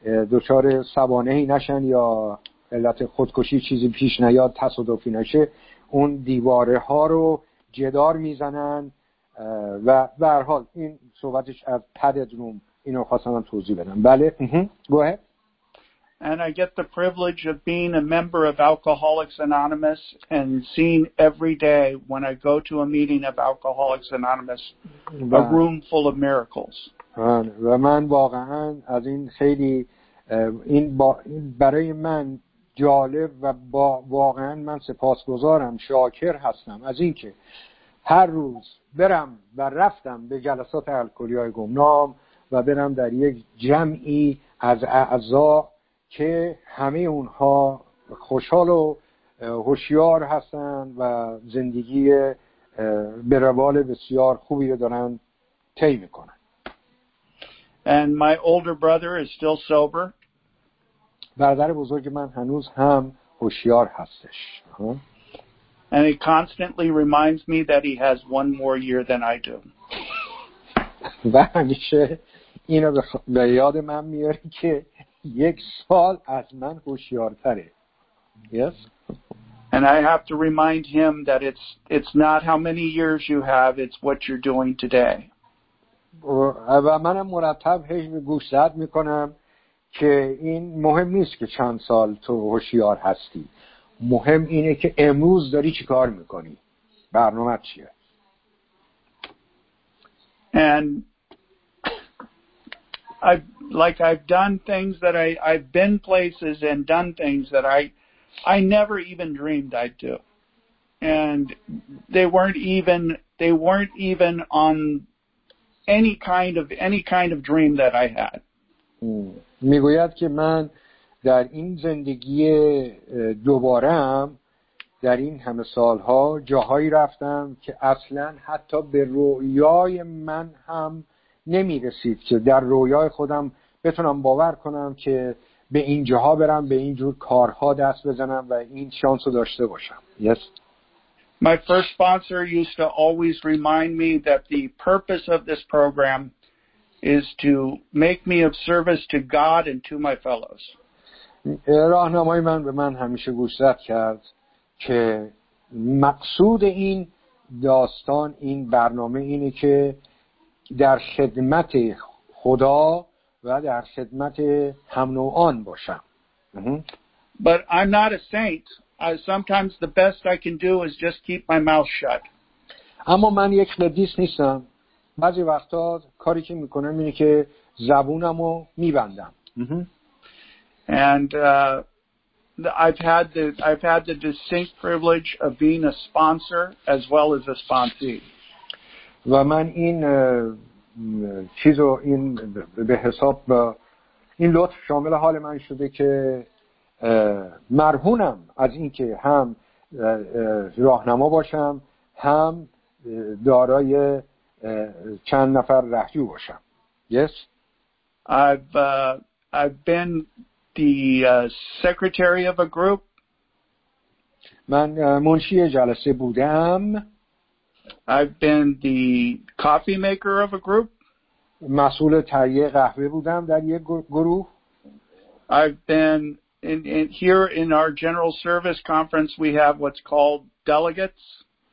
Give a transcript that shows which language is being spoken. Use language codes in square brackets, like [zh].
[fa] دچار سوانهی نشن یا علت خودکشی چیزی پیش نیاد، تصادفی نشه، اون دیواره ها رو جدار میزنن. و به هر حال این صحبتش از پدد روم، اینو خواستم توضیح بدم. بله [en] گو اهد. And I get the privilege of being a member of Alcoholics Anonymous and seeing every day when I go to a meeting of Alcoholics Anonymous a room full of miracles. [fa] و من واقعا از این خیلی این برای من جالب و واقعا من سپاسگزارم، شاکر هستم از اینکه هر روز برم و رفتم به جلسات الکلی‌های گمنام و برم در یک جمعی از اعضا که همه اونها خوشحال و هوشیار هستن و زندگی به روال بسیار خوبی رو دارن طی میکنن. [en] And my older brother is still sober. [fa] برادر بزرگ من هنوز هم هوشیار هستش. [en] And he constantly reminds me that he has one more year than I do. [fa] و همیشه اینو به یاد من میاره که یک سال از من هوشیارتره. [en] Yes. And I have to remind him that it's not how many years you have, it's what you're doing today. [fa] و منم مرتب هیچ گوشزد میکنم که این مهم نیست که چند سال تو هوشیار هستی. مهم اینه که امروز داری چی کار میکنی. برنامه چیه؟ [en] And I've done things that I've been places and done things that I never even dreamed I'd do, and they weren't even on any kind of dream that I had. [fa] میگوید که من در این زندگی دوبارم در این همه سالها جاهایی رفتم که اصلا حتی به رویای من هم نمی رسید که در رویای خودم بتونم باور کنم که به اینجاها برم، به اینجور کارها دست بزنم و این شانس رو داشته باشم. [en] Yes. My first sponsor used to always remind me that the purpose of this program is to make me of service to God and to my fellows. [fa] راهنمای من به من همیشه گوشزد کرد که مقصود این داستان، این برنامه اینه که در خدمت خدا و در خدمت هم نوعان باشم. [en] But I'm not a saint. Sometimes the best I can do is just keep my mouth shut. [fa] اما من یک قدیس نیستم. بعضی وقتا کاری که میکنم اینه که زبونمو میبندم. [en] And I've had the distinct privilege of being a sponsor as well as a sponsee. [fa] و من این چیزو این به حساب این لطف شامل حال من شده که مرهونم از اینکه هم راهنما باشم هم دارای چند نفر رهجو باشم. [en] Yes. I've been the secretary of a group. [fa] من منشی جلسه بودم. [en] I've been the coffee maker of a group. [fa] مسئول تهیه قهوه بودم در یک گروه. [en] I've been here in our general service conference we have what's called delegates.